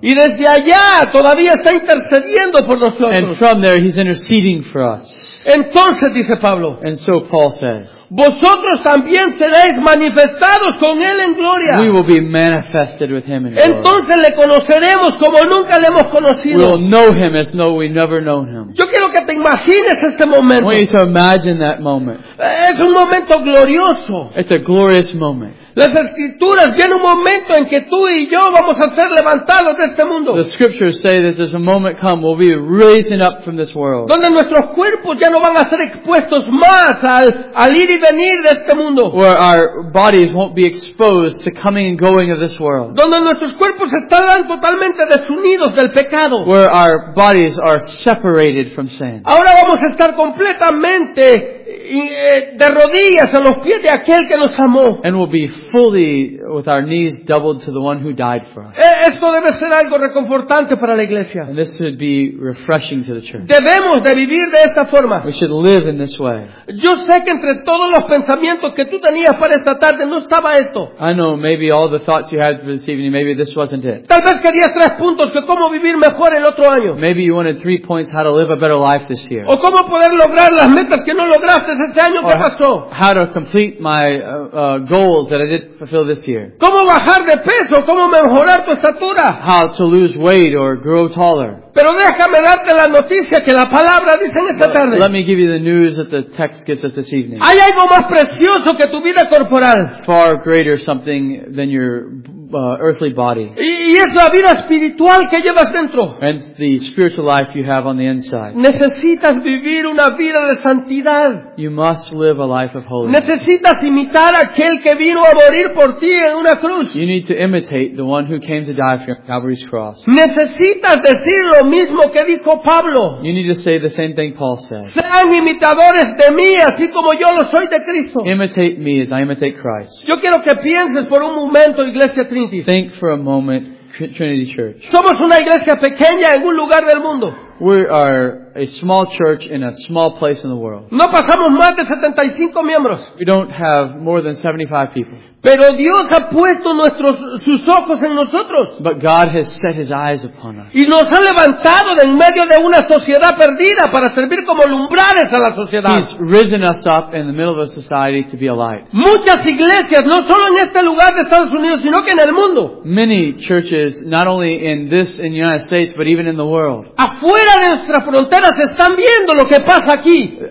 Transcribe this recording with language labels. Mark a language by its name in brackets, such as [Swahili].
[Spanish] Y desde allá todavía está intercediendo por nosotros. [English] And from there he's interceding for us. [Spanish] Entonces dice Pablo. [English] And so Paul says. [Spanish] Vosotros también seréis manifestados con él en gloria. [English] We will be manifested with him in glory. [Spanish] Entonces le conoceremos como nunca le hemos conocido. [English] We'll know him as though we never known him. [Spanish] Yo quiero que te imagines este momento. [English] I want you to imagine that moment. [Spanish] Es un momento glorioso. [English] It's a glorious moment. [Spanish] Las escrituras tienen un momento en que tú y yo vamos a ser levantados de este mundo. [English] The scriptures say that there's a moment come we'll be raising up from this world. [Spanish] Donde nuestros cuerpos ya no van a ser expuestos más al ir y venir de este mundo. [English] Where our bodies won't be exposed to coming and going of this world. [Spanish] Donde nuestros cuerpos estarán totalmente desunidos del pecado. [English] Where our bodies are separated from sin. [Spanish] Ahora vamos a estar completamente de rodillas a los pies de aquel que nos amó. [English] And we'll be fully with our knees doubled to the one who died for us. [Spanish] Esto debe ser algo reconfortante para la iglesia. [English] And this should be refreshing to the church. [Spanish] Debemos de vivir de esta forma. [English] We should live in this way. [Spanish] Yo sé que entre todos los pensamientos que tú tenías para esta tarde no estaba esto. [English] I know maybe all the thoughts you had for this evening, maybe this wasn't it. [Spanish] Tal vez querías tres puntos que cómo vivir mejor el otro año. [English] Maybe you wanted three points how to live a better life this year. [Spanish] O cómo poder lograr las metas que no lograste metas este año, ¿qué pasó? [English] How to complete my goals that I did fulfill this year. [Spanish] ¿Cómo bajar de peso? ¿Cómo mejorar tu estatura? [English] How to lose weight or grow taller. [Spanish] Pero déjame darte la noticia que la palabra dice en esta tarde. [English] Let me give you the news that the text gives us this evening. [Spanish] Hay algo más precioso que tu vida corporal. [English] Far greater something than your earthly body. [Spanish] Y es la vida espiritual que llevas dentro. [English] And the spiritual life you have on the inside. [Spanish] Necesitas vivir una vida de santidad. [English] You must live a life of holiness. [Spanish] Necesitas imitar aquel que vino a morir por ti en una cruz. [English] You need to imitate the one who came to die for you on Calvary's cross. [Spanish] Necesitas decir lo mismo que dijo Pablo. [English] You need to say the same thing Paul said. [Spanish] Sean imitadores de mí, así como yo lo soy de Cristo. [English] Imitate me as I imitate Christ. [Spanish] Yo quiero que pienses por un momento, Iglesia Trinity. [English] Think for a moment, Trinity Church. [Spanish] Somos una iglesia pequeña en un lugar del mundo. [English] We are a small church in a small place in the world. [Spanish] No pasamos más de 75 miembros. [English] We don't have more than 75 people. [Spanish] Pero Dios ha puesto nuestros sus ojos en nosotros. [English] But God has set his eyes upon us. [Spanish] Y nos ha levantado de en medio de una sociedad perdida para servir como lumbrales a la sociedad. [English] He's risen us up in the middle of a society to be a light. [Spanish] Muchas iglesias, no solo en este lugar de Estados Unidos, sino que en el mundo. [English] Many churches, not only in this in the United States, but even in the world. [Spanish] Afuera de nuestras fronteras están viendo lo que pasa aquí.